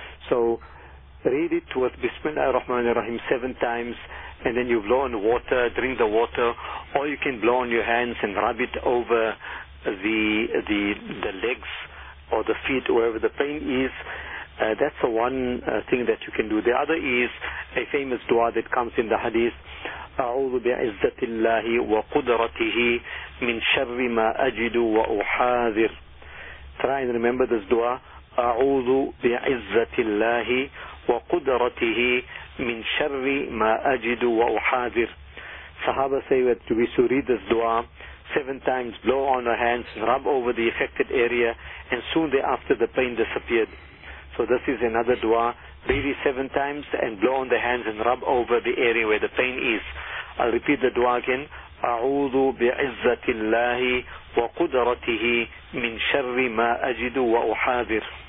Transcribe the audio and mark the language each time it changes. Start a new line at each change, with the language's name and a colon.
English: So read it with Bismillah ar-Rahman ar-Rahim 7 times, and then you blow on water, drink the water, or you can blow on your hands and rub it over the legs or the feet, wherever the pain is. That's the one thing that you can do. The other is a famous dua that comes in the hadith.
Arabic: أعوذ بعزة الله وقدرته من شر ما أجد وأحاذر.
English: Try and remember this dua.
Arabic: أعوذ بعزة الله وقدرته من شر ما أجد وأحاذر.
English: Sahaba say that we should read this dua 7 times, blow on our hands, rub over the affected area, and soon thereafter the pain disappeared. So this is another dua. Read it 7 times and blow on the hands and rub over the area where the pain is. I'll repeat the dua again.
Arabic: أعوذ بعزة الله وقدرته من شر ما أجد وأحاذر.